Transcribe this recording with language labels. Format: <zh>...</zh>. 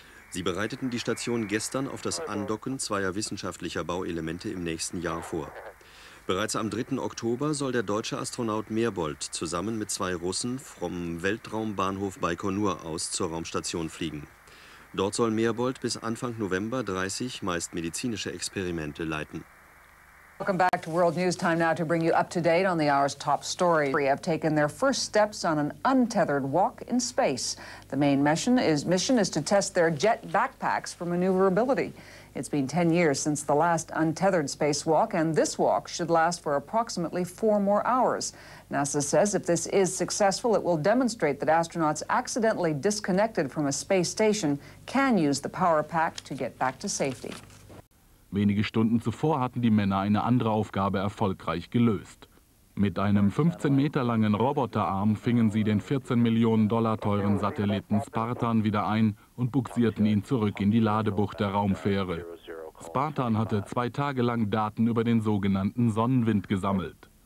<de>Sie bereiteten die Station gestern auf das Andocken zweier wissenschaftlicher Bauelemente im nächsten Jahr vor. Bereits am 3. Oktober soll der deutsche Astronaut Merbold zusammen mit zwei Russen vom Weltraumbahnhof Baikonur aus zur Raumstation fliegen. Dort soll Merbold bis Anfang November 30 meist medizinische Experimente leiten.</de> <en>Welcome back to World News. Time now to bring you up to date on the hour's top story. We have taken their first steps on an untethered walk in space. The main mission is to test their jet backpacks for maneuverability. It's been 10 years since the last untethered spacewalk, and this walk should last for approximately 4 more hours. NASA says if this is successful, it will demonstrate that astronauts accidentally disconnected from a space station can use the power pack to get back to safety.</en> <de>Wenige Stunden zuvor hatten die Männer eine andere Aufgabe erfolgreich gelöst. Mit einem 15 Meter langen Roboterarm fingen sie den 14 Millionen Dollar teuren Satelliten Spartan wieder ein und bugsierten ihn zurück in die Ladebucht der Raumfähre. Spartan hatte 2 Tage lang Daten über den sogenannten Sonnenwind gesammelt.</de>